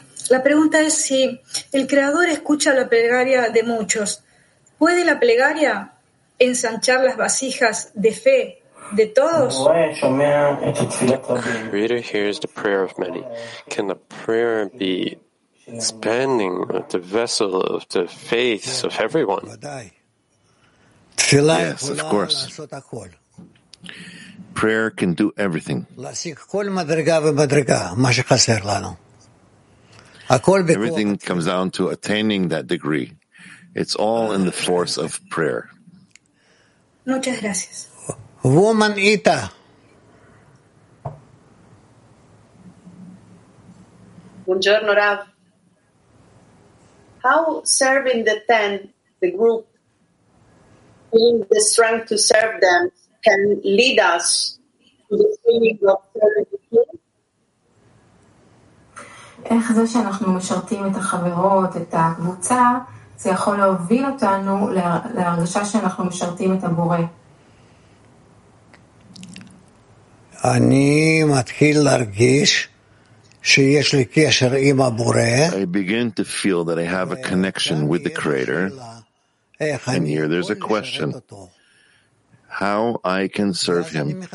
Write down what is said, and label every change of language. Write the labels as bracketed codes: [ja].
[es] La pregunta es si el Creador escucha la plegaria de muchos. ¿Puede la plegaria ensanchar las vasijas de fe? [en] The Creator hears the prayer of many. Can the prayer be expanding the vessel of the faith of everyone. Yes, of course. Prayer can do everything. Everything comes down to attaining that degree. It's all in the force of prayer. [es] Muchas gracias. [en] Woman Ita. [it] Buongiorno, Rav. [en] How serving the ten, the group, being the strength to serve them, can lead us to the feeling of serving the king? [he] איך זה שאנחנו משרתים את החברות, את הקבוצה, זה יכול להוביל אותנו להרגשה שאנחנו משרתים את הבורא. אני מתחיל להרגיש שיש לי קשר עם הבורא. [en] I begin to feel that I have a connection with the Creator. And here there's a question. How I can serve Him.